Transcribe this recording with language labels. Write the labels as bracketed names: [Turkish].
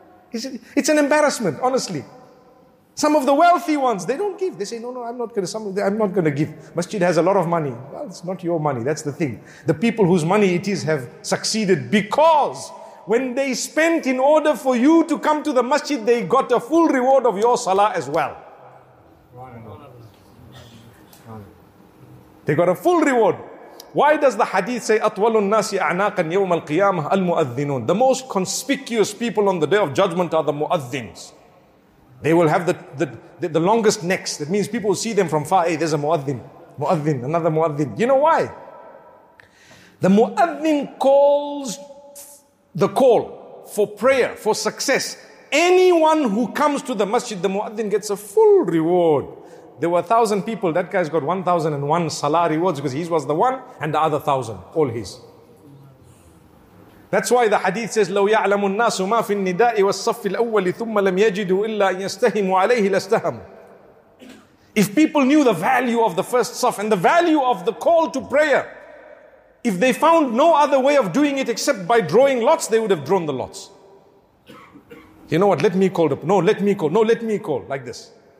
[English] It's an embarrassment, honestly. Some of the wealthy ones, they don't give. They say, no, I'm not going to give. Masjid has a lot of money. Well, it's not your money. That's the thing. The people whose money it is have succeeded because when they spent in order for you to come to the masjid, they got a full reward of your salah as well. They got a full reward. Why does the hadith say, [Arabic] أَطْوَلُ النَّاسِ أَعْنَاقًا يَوْمَ الْقِيَامَةِ الْمُؤَذِّنُونَ? [English] The most conspicuous people on the day of judgment are the muaddins. They will have the longest necks. That means people will see them from far. Hey, there's a muaddin. Muaddin, another muaddin. You know why? The muaddin calls the call for prayer, for success. Anyone who comes to the masjid, the muaddin gets a full reward. There were 1,000 people. That guy's got 1,001 salah rewards because he was the one and the other 1,000, all his. That's why the hadith says, [Arabic] لَوْ يَعْلَمُ النَّاسُ مَا فِي النِّدَاءِ وَالصَّفِّ الْأَوَّلِ ثُمَّ لَمْ يَجِدُوا إِلَّا أَنْ يَسْتَهِمُوا عَلَيْهِ لَاسْتَهَمُوا. [English] If people knew the value of the first saf and the value of the call to prayer, if they found no other way of doing it except by drawing lots, they would have drawn the lots. You know what? Let me call. No, let me call. No, let me call. Like this.